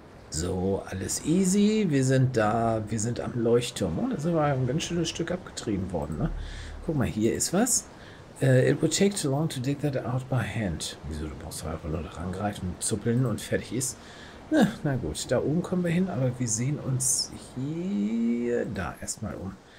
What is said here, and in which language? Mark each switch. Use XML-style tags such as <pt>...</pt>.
<de>So, alles easy. Wir sind da. Wir sind am Leuchtturm. Oh, da sind wir ein ganz schönes Stück abgetrieben worden, ne? Guck mal, hier ist was.</de> <en>It would take too long to dig that out by hand.</en> <de>Wieso, du brauchst einfach nur da rangreifen, zuppeln und fertig ist. Na gut, da oben kommen wir hin, aber wir sehen uns hier da erstmal um.</de>